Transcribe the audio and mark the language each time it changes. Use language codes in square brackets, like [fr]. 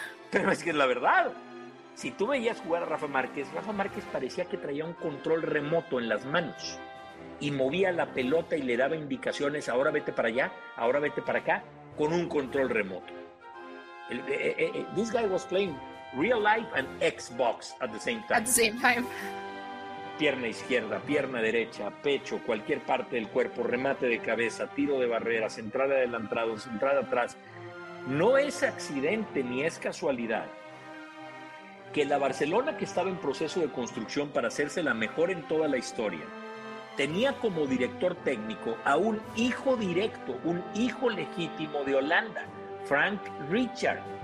[es] Pero es que es la verdad. Si tú veías jugar a Rafa Márquez parecía que traía un control remoto en las manos y movía la pelota y le daba indicaciones, ahora vete para allá, ahora vete para acá, con un control remoto. [en] This guy was playing real life and Xbox at the same time. At the same time. [es] Pierna izquierda, pierna derecha, pecho, cualquier parte del cuerpo, remate de cabeza, tiro de barrera, central adelantado, central atrás. No es accidente ni es casualidad que la Barcelona, que estaba en proceso de construcción para hacerse la mejor en toda la historia, tenía como director técnico a un hijo directo, un hijo legítimo de Holanda, Frank Rijkaard.